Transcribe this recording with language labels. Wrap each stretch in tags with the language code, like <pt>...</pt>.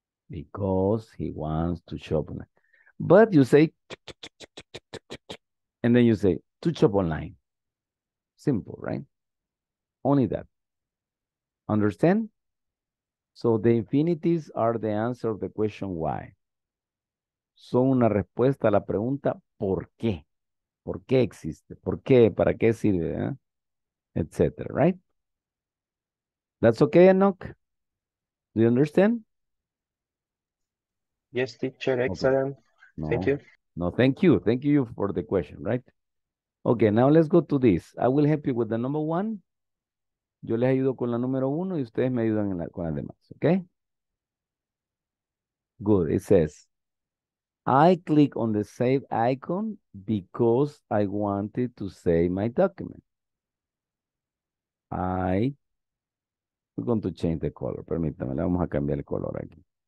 <en>Because he wants to shop online. But you say, and then you say, to shop online. Simple, right? Only that. Understand? So the infinitives are the answer of the question why.</en> <es>Son una respuesta a la pregunta por qué. ¿Por qué existe? ¿Por qué? ¿Para qué sirve? ¿Eh? Etcétera, right?</es> <en>That's okay, Enoch? Do you understand? Yes, teacher, excellent. Okay. No. Thank you. No, thank you. Thank you for the question, right? Okay, now let's go to this. I will help you with the number one.</en> <es>Yo les ayudo con la número uno y ustedes me ayudan en la, con las demás, okay?</es> <en>Good, it says, I click on the save icon because I wanted to save my document. We're going to change the color.</en> <es>Permítame, le vamos a cambiar el color aquí.</es>